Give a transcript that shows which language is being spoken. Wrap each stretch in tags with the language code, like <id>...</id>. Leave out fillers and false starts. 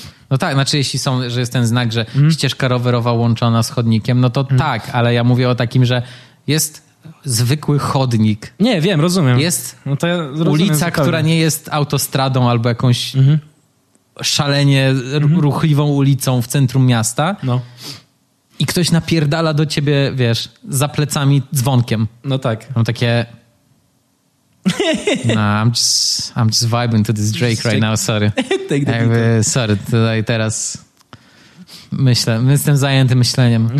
<pl>No tak, znaczy jeśli są, że jest ten znak, że ścieżka rowerowa łączona z chodnikiem, no to tak, ale ja mówię o takim, że jest zwykły chodnik. Nie, wiem, rozumiem. Jest no to ja rozumiem ulica, zupełnie. Która nie jest autostradą albo jakąś szalenie ruchliwą ulicą w centrum miasta. No. I ktoś napierdala do ciebie, wiesz, za plecami dzwonkiem. No tak. Mam takie...</pl> <en>No, I'm just vibing to this Drake right now, sorry. Take the beat.</en> <pl>Sorry, tutaj teraz myślę, jestem zajęty myśleniem.</pl>